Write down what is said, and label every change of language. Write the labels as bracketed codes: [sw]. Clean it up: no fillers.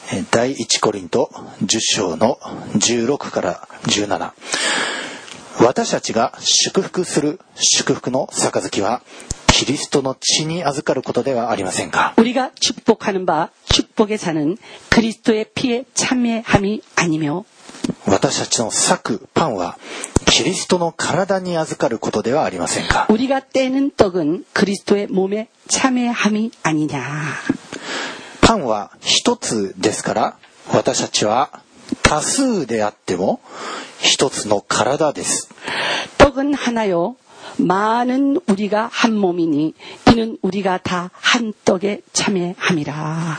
[ja] 第1コリント10章の16から17私たちが祝福する祝福の杯はキリストの血に預かることではありませんか [ko] 우리가축복하는바축복의잔은그리스도의피에참여함이아니며 [ja] 私たちの裂くパンはキリストの体に預かることではありませんか [ko] 우리가떼는떡은그리스도의몸에참여함이아니냐 [ja] パンは一つですから私たちは多数であっても一つの体です [ko] 떡은하나요많은우리가한몸이니이는우리가다한떡에참여함이라